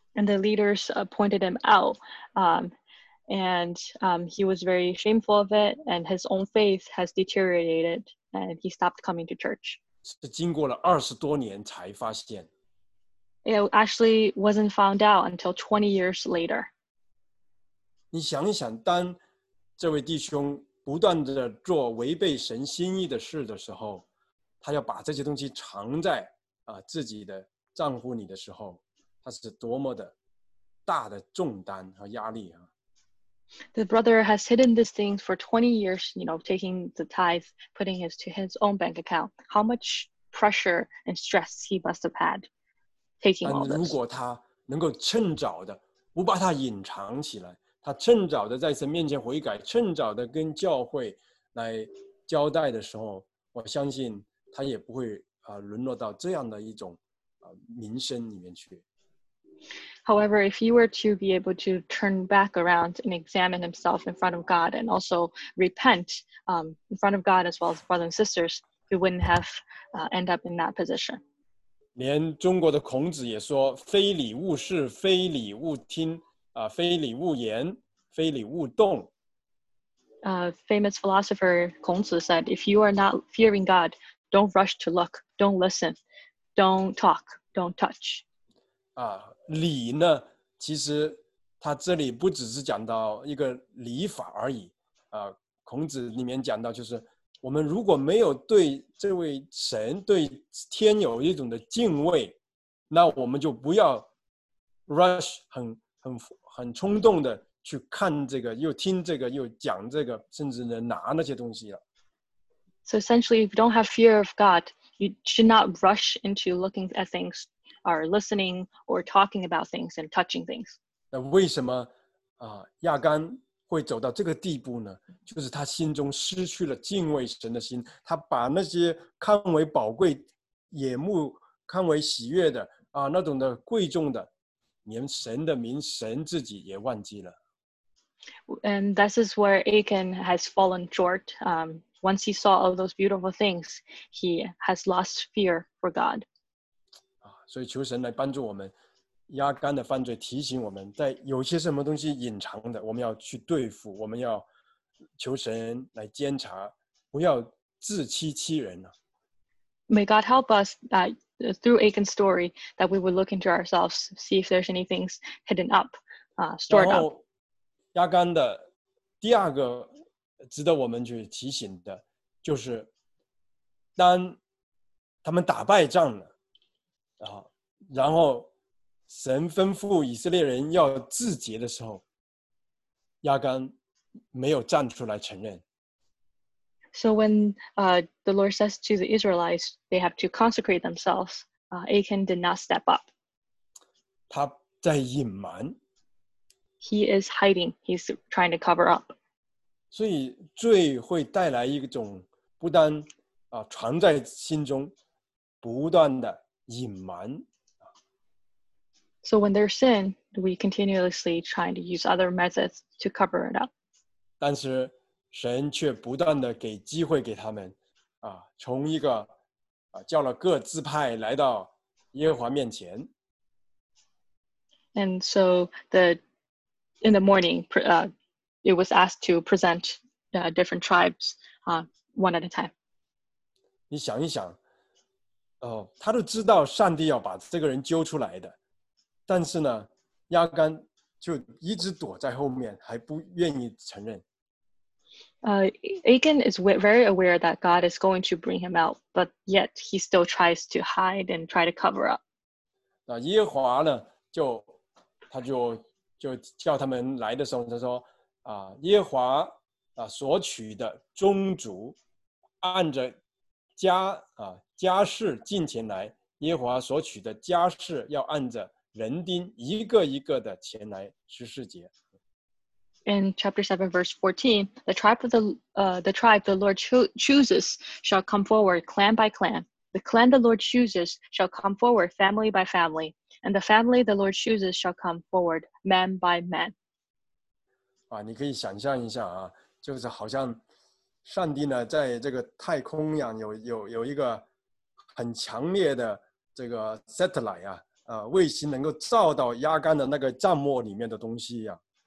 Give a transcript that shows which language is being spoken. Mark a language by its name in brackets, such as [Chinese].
[English] And the leaders pointed him out, he was very shameful of it, and his own faith has deteriorated, and he stopped coming to church. [Chinese] 是经过了20多年才发现。 [English] It actually wasn't found out until 20 years later. [Chinese] 你想一想，当这位弟兄不断地做违背神心意的事的时候，他要把这些东西藏在自己的账户里的时候，他是多么的大的重担和压力啊。 [English] The brother has hidden these things for 20 years, you know, taking the tithe, putting it to his own bank account. How much pressure and stress he must have had. [Chinese] 但如果他能够趁早的不把他隐藏起来，他趁早的在神面前悔改，趁早的跟教会来交代的时候，我相信他也不会沦落到这样的一种名声里面去。 [English] However, if he were to be able to turn back around and examine himself in front of God and also repent in front of God as well as brothers and sisters, he wouldn't have end up in that position. [Chinese] 连中国的孔子也说，非礼勿视，非礼勿听，非礼勿言，非礼勿动。 [English] Famous philosopher 孔子 said, if you are not fearing God, don't rush to look, don't listen, don't talk, don't touch. [Chinese] 礼呢，其实他这里不只是讲到一个礼法而已。孔子里面讲到就是，我们如果没有对这位神、对天有一种的敬畏，那我们就不要 [English] rush [Chinese] 很冲动的去看这个、又听这个、又讲这个，甚至能拿那些东西了。 [English] So essentially, if you don't have fear of God, you should not rush into looking at things, or listening, or talking about things and touching things. [Chinese] 那为什么亚干会走到这个地步呢？就是他心中失去了敬畏神的心，他把那些看为宝贵、眼目看为喜悦的那种的贵重的，连神的名、神自己也忘记了。 [English] And this is where Achan has fallen short. Once he saw all those beautiful things, he has lost fear for God. [Chinese] 所以求神来帮助我们。亚干的犯罪提醒我们，在有些什么东西隐藏的，我们要去对付，我们要求神来监察，不要自欺欺人了。 [English] May God help us that through Achan's story that we would look into ourselves, see if there's any things hidden up, stored up. [Chinese] 亚干的第二个值得我们去提醒的，就是当他们打败仗了，然后神吩咐以色列人要自洁的时候，亚干没有站出来承认。 [English] So when the Lord says to the Israelites they have to consecrate themselves, Achan did not step up. [Chinese] 他在隐瞒。 [English] He is hiding. He's trying to cover up. [Chinese] 所以罪会带来一种不单藏在心中，不断的隐瞒。 [English] So when there's sin, we continuously trying to use other methods to cover it up. [Chinese] 但是神却不断地给机会给他们，从一个叫了各支派来到耶和华面前。 [English] And so in the morning, it was asked to present different tribes one at a time. [Chinese] 你想一想，他都知道上帝要把这个人揪出来的。但是呢，亚干就一直躲在后面，还不愿意承认。 [English] Achan is very aware that God is going to bring him out, but yet he still tries to hide and try to cover up. [Chinese] 耶和华呢，他就叫他们来的时候，他说，耶和华所取的宗族，按着家世进前来，耶和华所取的家世要按着人丁一个一个的前来十四节。 [English] In chapter 7, verse 14, the tribe the Lord chooses shall come forward clan by clan. The clan the Lord chooses shall come forward family by family. And the family the Lord chooses shall come forward man by man. [Chinese] 你可以想象一下就是好像上帝呢在这个太空一样有一个很强烈的这个 [English] satellite [Chinese] 卫星能够照到亚干的那个帐幕里面的东西一样。